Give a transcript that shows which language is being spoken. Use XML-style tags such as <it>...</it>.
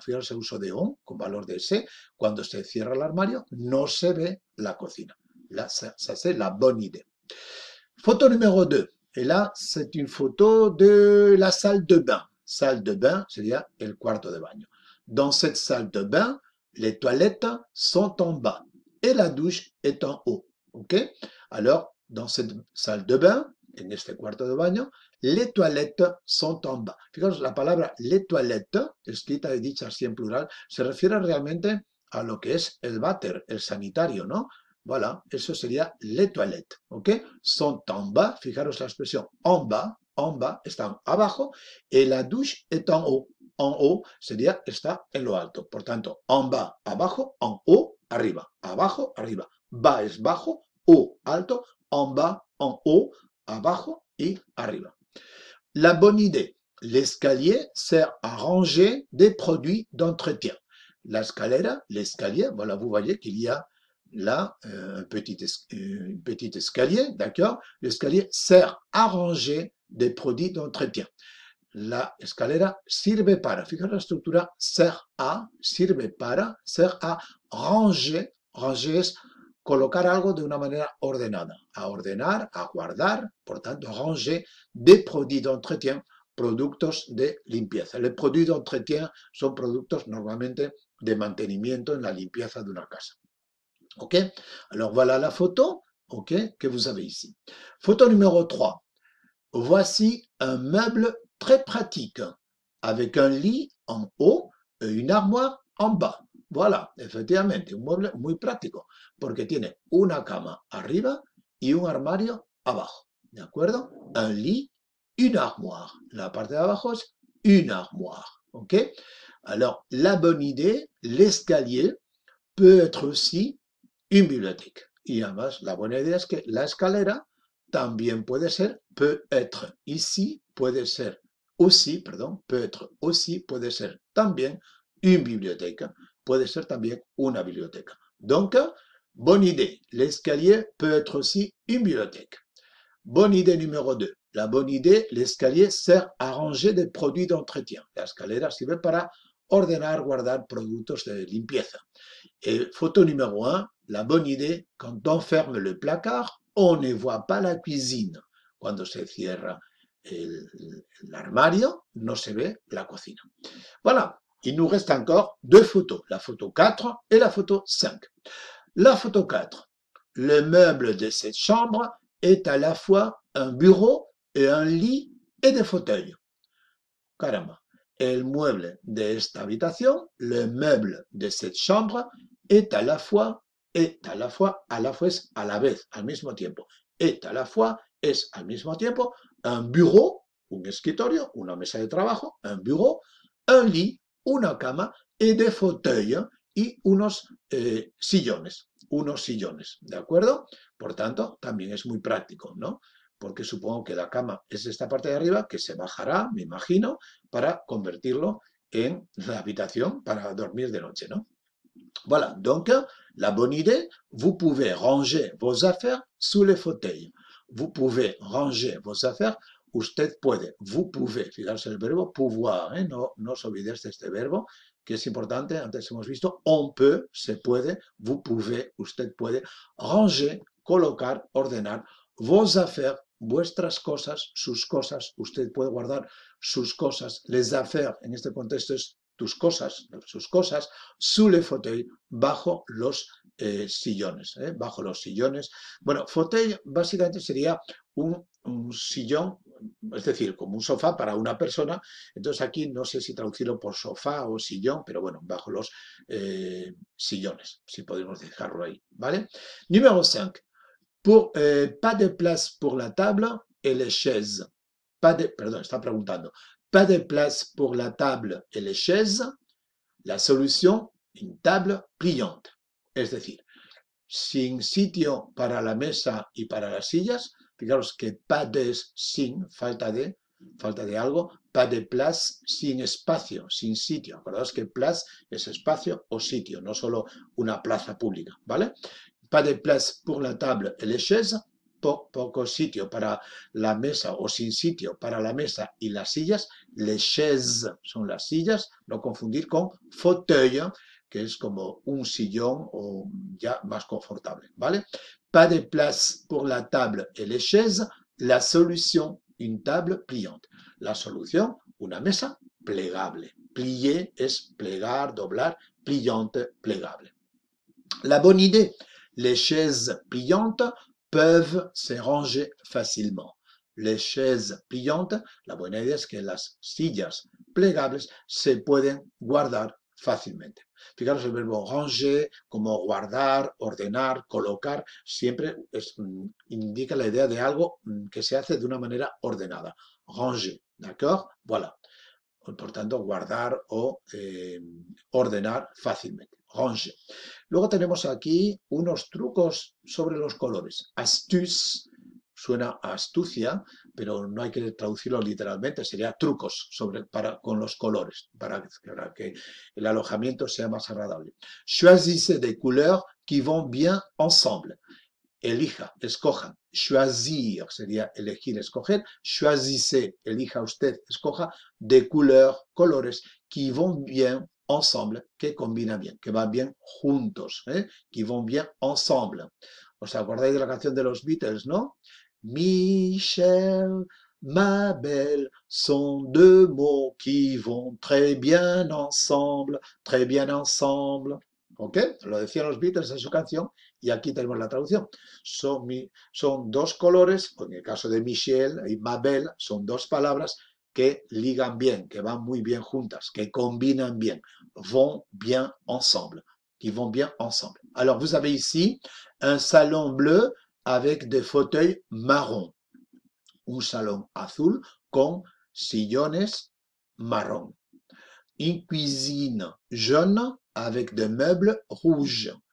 <es>Fíjense el uso de on con valor de se. Cuando se cierra el armario, no se ve la cocina.</es> <fr>Ça, c'est la bonne idée. Photo numéro 2. Et là, c'est une photo de la salle de bain.</fr> <es>Salle de bain sería el cuarto de baño.</es> <fr>Dans cette salle de bain, les toilettes sont en bas. Et la douche est en haut. Okay? Alors, dans cette salle de bain,</fr> <es>en este cuarto de baño,</es> <fr>les toilettes sont en bas.</fr> <es>Fijaros, la palabra les toilettes, escrita y dicha así en plural, se refiere realmente a lo que es el váter, el sanitario, ¿no? Voilà, eso sería les toilettes. Okay?</es> <fr>Sont en bas,</fr> <es>fijaros la expresión en bas, están abajo,</es> <fr>et la douche est en haut.</fr> <es>En haut sería está en lo alto. Por tanto, en bas, abajo, en haut, arriba, abajo, arriba. Bas es bajo, haut, alto, en bas, en haut, abajo y arriba.</es> <fr>La bonne idée. L'escalier sert à ranger des produits d'entretien.</fr> <es>La escalera,</es> <fr>l'escalier, voilà, vous voyez qu'il y a là un petit escalier, d'accord? L'escalier sert à ranger des produits d'entretien.</fr> <es>La escalera sirve para, fijaros la estructura, sirve para,</es> <fr>sert à ranger.</fr> <es>Ranger es colocar algo de una manera ordenada, a ordenar, a guardar, por tanto,</es> <fr>ranger des produits d'entretien,</fr> <es>productos de limpieza. Los produits d'entretien son productos normalmente de mantenimiento en la limpieza de una casa. ¿Ok?</es> <fr>Alors, voilà la photo, ¿ok? Que vous avez ici. Photo numéro 3. Voici un meuble très pratique, avec un lit en haut et une armoire en bas.</fr> <es>Voilà, effectivamente, un mueble muy práctico, porque tiene una cama arriba y un armario abajo. ¿De acuerdo?</es> <fr>Un lit, une armoire.</fr> <es>La parte de abajo es</es> <fr>une armoire.</fr> <es>¿Ok?</es> <fr>Alors, la bonne idée, l'escalier peut être aussi une bibliothèque.</fr> <es>Y además, la buena idea es que la escalera también puede ser,</es> <fr>peut être ici,</fr> <es>puede ser. Aussi, perdón,</es> <fr>peut être aussi,</fr> <es>puede ser también</es> <fr>une bibliothèque,</fr> <es>puede ser también una biblioteca.</es> <fr>Donc, bonne idée, l'escalier peut être aussi une bibliothèque. Bonne idée numéro 2, la bonne idée, l'escalier sert à ranger des produits d'entretien.</fr> <es>La escalera sirve para ordenar, guardar productos de limpieza.</es> <fr>Et photo numéro 1, la bonne idée, quand on ferme le placard, on ne voit pas la cuisine.</fr> <es>Cuando se cierra el armario, no se ve la cocina.</es> <fr>Voilà, il nous reste encore deux photos, la photo 4 et la photo 5. La photo 4, le meuble de cette chambre est à la fois un bureau et un lit et des fauteuils.</fr> <es>Caramba, el mueble de esta habitación,</es> <fr>le meuble de cette chambre est à la fois</fr> <es>es a la vez, al mismo tiempo,</es> <fr>est à la fois</fr> <es>es al mismo tiempo</es> <fr>un bureau,</fr> <es>un escritorio, una mesa de trabajo, un bureau,</es> <fr>un lit,</fr> <es>una cama y</es> <fr>des fauteuils</fr> <es>y unos sillones, ¿de acuerdo? Por tanto, también es muy práctico, ¿no? Porque supongo que la cama es esta parte de arriba que se bajará, me imagino, para convertirlo en la habitación para dormir de noche, ¿no?</es> <fr>Voilà, donc, la bonne idée, vous pouvez ranger vos affaires sous les fauteuils. Vous pouvez ranger vos affaires.</fr> <es>Usted puede,</es> <fr>vous pouvez,</fr> <es>fijarse en el verbo pouvoir, ¿eh? No, no se olvide de este verbo, que es importante, antes hemos visto,</es> <fr>on peut,</fr> <es>se puede,</es> <fr>vous pouvez,</fr> <es>usted puede, ranger, colocar, ordenar,</es> <fr>vos affaires,</fr> <es>vuestras cosas, sus cosas, usted puede guardar sus cosas,</es> <fr>les affaires,</fr> <es>en este contexto es tus cosas, sus cosas,</es> <fr>sous le fauteuil,</fr> <es>bajo los sillones, ¿eh? Bajo los sillones. Bueno, fauteuil básicamente sería un sillón, es decir, como un sofá para una persona. Entonces aquí no sé si traducirlo por sofá o sillón, pero bueno, bajo los sillones, si podemos dejarlo ahí, ¿vale? Número 5.</es> <fr>Pas de place pour la table et les chaises. Pas de,</fr> <es>perdón, está preguntando.</es> <fr>Pas de place pour la table et les chaises.</fr> <es>La solución,</es> <fr>une table pliante.</fr> <es>Es decir, sin sitio para la mesa y para las sillas. Fijaros que pas de es sin, falta de algo.</es> <fr>Pas de place,</fr> <es>sin espacio, sin sitio. Acordaos que place es espacio o sitio, no solo una plaza pública, ¿vale?</es> <fr>Pas de place pour la table et les chaises.</fr> <es>Poco sitio para la mesa o sin sitio para la mesa y las sillas.</es> <fr>Les chaises</fr> <es>son las sillas, no confundir con fauteuil, que es como un sillón o ya más confortable, ¿vale?</es> <fr>Pas de place pour la table et les chaises. La solution, une table pliante.</fr> <es>La solución, una mesa plegable. Plier es plegar, doblar, pliante, plegable.</es> <fr>La bonne idée, les chaises pliantes peuvent se ranger facilement. Les chaises pliantes,</fr> <es>la buena idea es que las sillas plegables se pueden guardar fácilmente. Fijaros el verbo ranger, como guardar, ordenar, colocar, siempre es, indica la idea de algo que se hace de una manera ordenada. Ranger,</es> <fr>d'accord? Voilà.</fr> <es>Por tanto, guardar o ordenar fácilmente. Ranger. Luego tenemos aquí unos trucos sobre los colores. Astuce, suena a astucia, pero no hay que traducirlo literalmente, sería trucos sobre, para, con los colores, para que el alojamiento sea más agradable.</es> <fr>Choisissez des couleurs qui vont bien ensemble.</fr> <es>Elija, escoja. Choisir sería elegir, escoger.</es> <fr>Choisissez,</fr> <es>elija usted, escoja. De couleurs, colores,</es> <fr>qui vont bien ensemble,</fr> <es>que combina bien, que van bien juntos, ¿eh?</es> <fr>Qui vont bien ensemble.</fr> <es>¿Os acordáis de la canción de los Beatles, no?</es> <fr>Michel, ma belle, sont deux mots qui vont très bien ensemble, très bien ensemble. ¿Ok?</fr> <es>Lo decían los Beatles en su canción y aquí tenemos la traducción. Son dos colores, en el caso de Michel y ma belle, son dos palabras que ligan bien, que van muy bien juntas, que combinan bien.</es> <fr>Vont bien ensemble. Qui vont bien ensemble. Alors, vous avez ici un salon bleu avec des fauteuils marrons.</fr> <es>Un salon azul con sillones marrón.</es> <fr>Une cuisine jaune avec des meubles rouges.</fr>